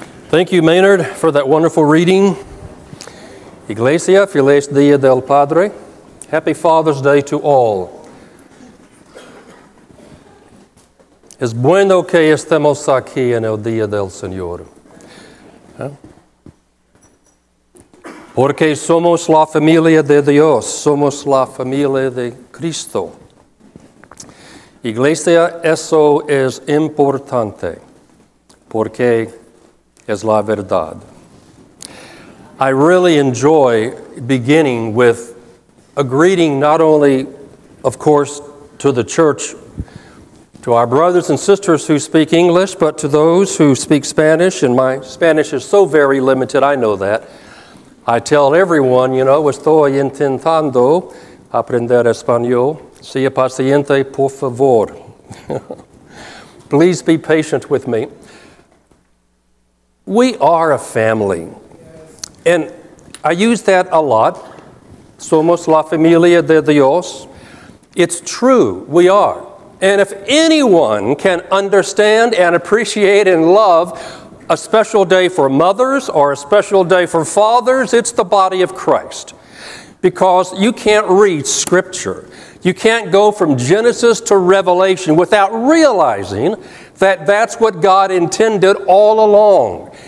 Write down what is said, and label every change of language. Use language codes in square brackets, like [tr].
[en] Thank you, Maynard, for that wonderful reading. [es] Iglesia, Feliz Dia del Padre. [en] Happy Father's Day to all. [es] Es bueno que estemos aquí en el Día del Señor. Porque somos la familia de Dios, somos la familia de Cristo. Iglesia, eso es importante, porque es la verdad. [en] I really enjoy beginning with a greeting, not only, of course, to the church, to our brothers and sisters who speak English, but to those who speak Spanish, and my Spanish is so very limited, I know that. I tell everyone, you know, [es] estoy intentando aprender español. Sea paciente, por favor. [en] Please be patient with me. We are a family. And I use that a lot. [es] Somos la familia de Dios. [en] It's true, we are. And if anyone can understand and appreciate and love a special day for mothers or a special day for fathers, it's the body of Christ. Because you can't read Scripture. You can't go from Genesis to Revelation without realizing that that's what God intended all along.